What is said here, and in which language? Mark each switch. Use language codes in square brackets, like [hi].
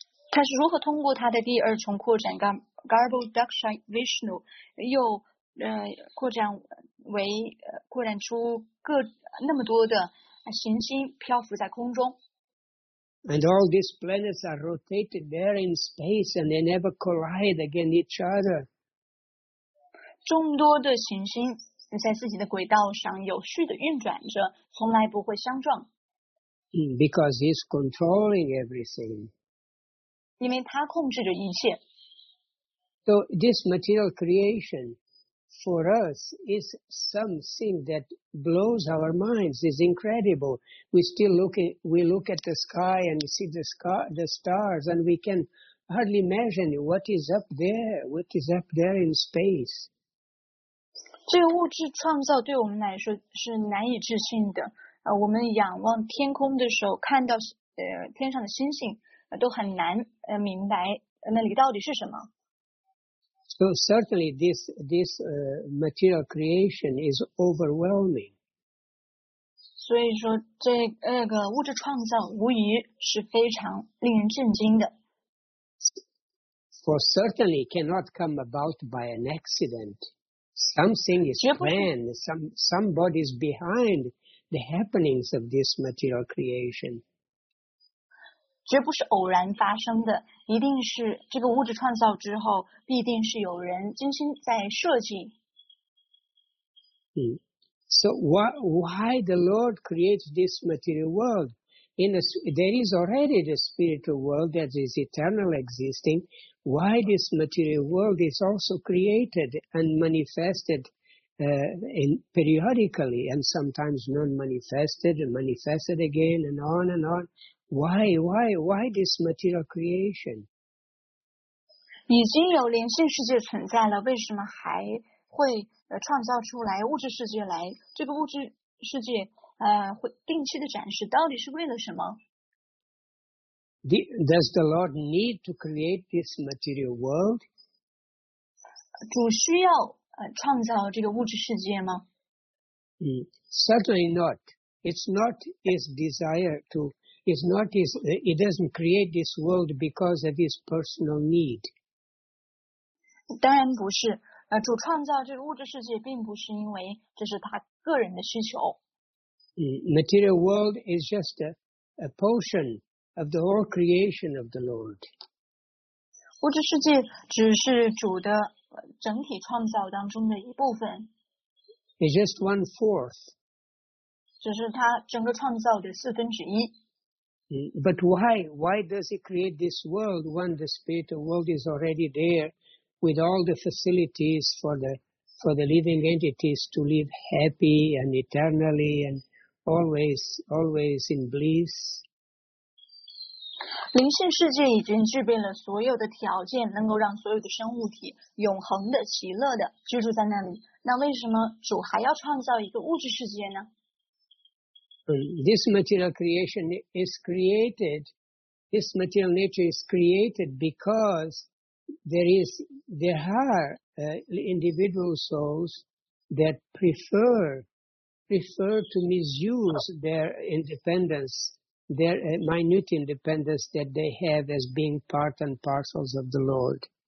[zh] 他是如何通过他的第二重扩展 Garbhodakashaya Vishnu 又扩展出各那么多的行星漂浮在空中。 [en] And all these planets are rotated there in space and they never collide against each other. [zh] 众多的行星在自己的轨道上有序地运转着，从来不会相撞。 [en] Because he's controlling everything. [zh] 因为他控制着一切。 [en] So this material creation for us is something that blows our minds. It's incredible. We look at the sky and see the stars and we can hardly imagine what is up there in space. [zh] 这个物质创造对我们来说是难以置信的。我们仰望天空的时候看到天上的星星都很难明白那里到底是什么。 [en] So certainly this material creation is overwhelming. [zh] 所以说这个物质创造无疑是非常令人震惊的。 [en] For certainly cannot come about by an accident. Something is planned, somebody is behind the happenings of this material creation. [zh] 绝不是偶然发生的，一定是这个物质创造之后，必定是有人精心在设计。 [en] So why the Lord creates this material world? There is already the spiritual world that is eternal existing. Why this material world is also created and manifested, in periodically and sometimes non-manifested and manifested again and on and on. Why this material creation? [zh] 已经有灵性世界存在了，为什么还会创造出来物质世界来？这个物质世界会定期的展示，到底是为了什么？ [en] Does the Lord need to create this material world? [zh] 主需要创造这个物质世界吗？ [en] Certainly not. It's not his desire to. He doesn't create this world because of his personal need. [zh] 当然不是，主创造这个物质世界并不是因为这是他个人的需求。 [en] Material world is just a portion of the whole creation of the Lord. [zh] 物质世界只是主的整体创造当中的一部分。 [en] It's just 1/4. [zh] 只是他整个创造的四分之一。 [en] But why does he create this world when the spiritual world is already there with all the facilities for the living entities to live happy and eternally and always in bliss? [zh] 灵性世界已经具备了所有的条件，能够让所有的生物体永恒的、喜乐的居住在那里。那为什么主还要创造一个物质世界呢？ [en] This material creation is created, this material nature is created because there are individual souls that prefer to misuse their independence, their minute independence that they have as being part and parcels of the Lord.